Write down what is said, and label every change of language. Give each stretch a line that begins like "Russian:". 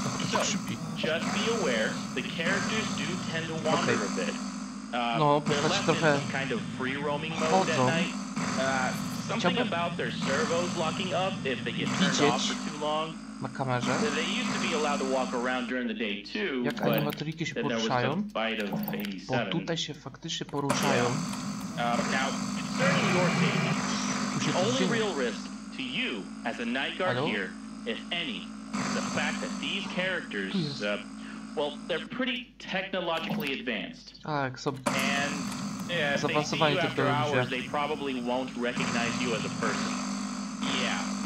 English: So, just be aware, the characters do tend to wander a bit. They're left in some kind of free-roaming mode at night. Something about their servos locking up if they get turned off for too long.
Polish: Na kamerze.
English: They used to be allowed to walk around during the day too,
Polish: jak animatoriki się poruszają, bo tutaj się faktycznie poruszają.
English: Now, concerning your safety, the only real risk to you as a night guard here, if any, the fact that these characters, well, they're pretty technologically advanced.
Polish: Tak, są...
English: And, yeah, if they see you after hours, they probably won't recognize you as a person. Yeah.